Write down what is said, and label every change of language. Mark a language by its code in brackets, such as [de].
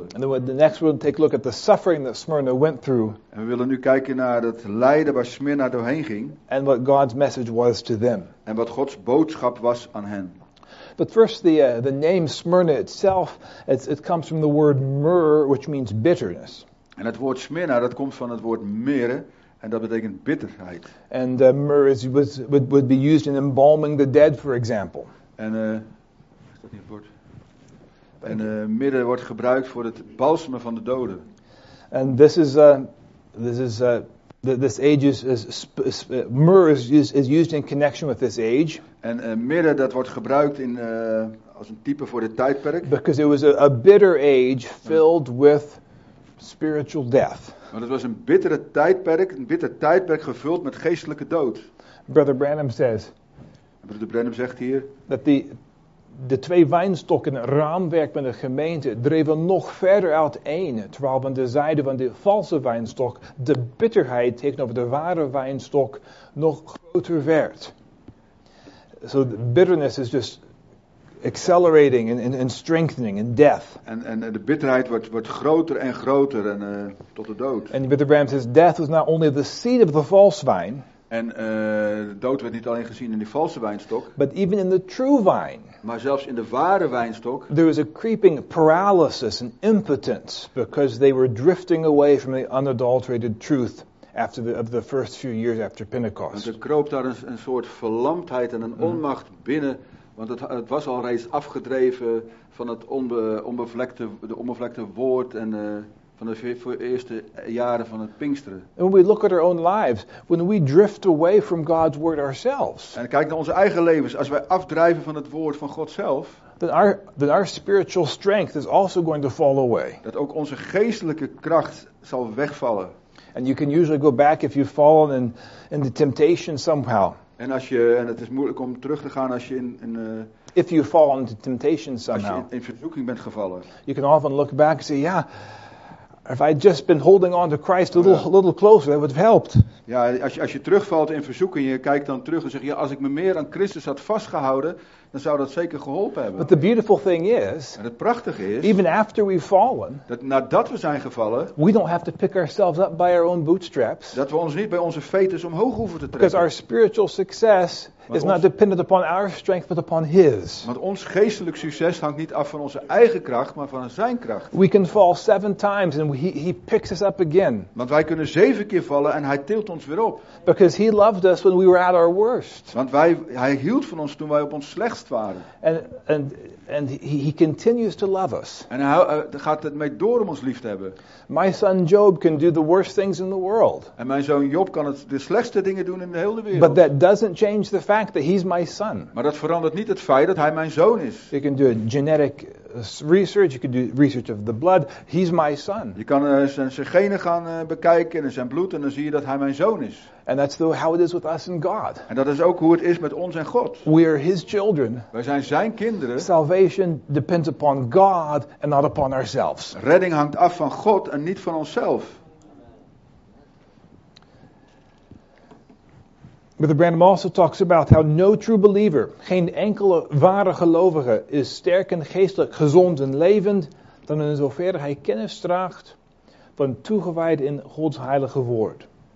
[en] And then the next we'll take a look at the suffering that Smyrna went through. [nl] En we willen nu kijken naar het lijden waar Smyrna doorheen ging. [en] And what God's message was to them. [nl] En wat Gods boodschap was aan hen. [en] But first the name Smyrna itself, it comes from the word myrrh, which means bitterness. [nl] En het woord Smyrna dat komt van het woord myrrh. En dat betekent bitterheid. [en] And myrrh would be used in embalming the dead, for example. [nl] En is dat niet het woord? En myrrh wordt gebruikt voor het balsemen van de doden. [en] And this age is myrrh is used in connection with this age. [nl] En myrrh dat wordt gebruikt in als een type voor dit tijdperk. [en] Because it was a bitter age filled with spiritual death. [nl] Maar het was een bittere tijdperk, gevuld met geestelijke dood. [en] Brother Branham says. [nl] Brother Branham zegt hier dat de twee wijnstokken het raamwerk van de gemeente dreven nog verder uiteen, terwijl aan de zijde van de valse wijnstok de bitterheid tegenover de ware wijnstok nog groter werd. [en] So the bitterness is just accelerating and strengthening and death. [nl] En de bitterheid wordt groter en groter en tot de dood. [en] And Brother Branham says death was not only the seed of the false vine. [nl] En de dood werd niet alleen gezien in die valse wijnstok. [en] But even in the true vine. [nl] Maar zelfs in de ware wijnstok. [en] There was a creeping paralysis and impotence because they were drifting away from the unadulterated truth. After the first few years after Pentecost. [nl] Want er kroop daar een soort verlamdheid en een onmacht binnen. Want het was al reeds afgedreven van het onbevlekte woord en van de eerste jaren van het Pinksteren. [en] And when we look at our own lives, when we drift away from God's word ourselves. [nl] En kijk naar onze eigen levens, als wij afdrijven van het woord van God zelf. [en] Then our spiritual strength is also going to fall away. [nl] Dat ook onze geestelijke kracht zal wegvallen. [en] And you can usually go back if you've fallen in the temptation somehow. [nl] En als je het is moeilijk om terug te gaan als je in [en] if you fall into temptation somehow, [nl] als je in verzoeking bent gevallen, [en] you can often look back and say, yeah, if I'd just been holding on to Christ a little closer, that would have helped. [nl] Ja, als je terugvalt in verzoeking, je kijkt dan terug en zeg je, ja, als ik me meer aan Christus had vastgehouden, dan zou dat zeker geholpen hebben. [en] But the beautiful thing is, [nl] en het prachtige is, [en] even after we've fallen, [nl] dat nadat we zijn gevallen, [en] we don't have to pick ourselves up by our own bootstraps. [nl] Dat we ons niet bij onze fetus omhoog hoeven te trekken. [en] Because our spiritual success is not dependent upon our strength, but upon His. [nl] Want ons geestelijk succes hangt niet af van onze eigen kracht, maar van Zijn kracht. [en] We can fall 7 times and he picks us up again. [nl] Want wij kunnen 7 keer vallen en Hij tilt ons weer op. [en] Because He loved us when we were at our worst. [nl] Want Hij hield van ons toen wij op ons slechtst waren. [en] And he continues to love us. [nl] En Hij gaat het mee door om ons lief te hebben. [en] My son Job can do the worst things in the world. [nl] En mijn zoon Job kan de slechtste dingen doen in de hele wereld. [en] But that doesn't change the fact that he's my son. [nl] Maar dat verandert niet het feit dat hij mijn zoon is. [en] You can do a genetic research. You can do research of the blood. He's my son. [nl] Je kan zijn genen gaan bekijken en zijn bloed en dan zie je dat hij mijn zoon is. [en] And that's how it is with us and God. [nl] En dat is ook hoe het is met ons en God. [en] We are His children. [nl] Wij zijn zijn kinderen. [en] Salvation depends upon God and not upon ourselves. [nl] Redding hangt af van God en niet van onszelf. [en] Brother Branham also talks about how no true believer, [nl] geen enkele ware gelovige, is sterk en geestelijk gezond en levend, dan in zoverre hij kennis draagt van toegewijd in Gods heilige woord.